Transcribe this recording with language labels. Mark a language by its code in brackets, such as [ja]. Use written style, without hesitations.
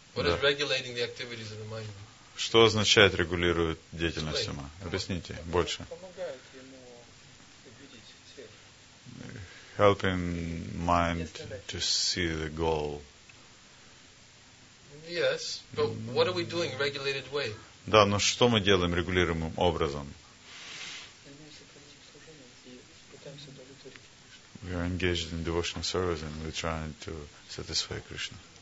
[en] What does regulating the activities of the mind mean? [ru] Что означает регулирует деятельность ума? Объясните больше. [en] Helping mind to see the goal. Yes, but what are we doing in regulated way? [ru] Да, но что мы делаем регулируемым образом? [en] We are engaged in devotional service and we're trying to satisfy Krishna.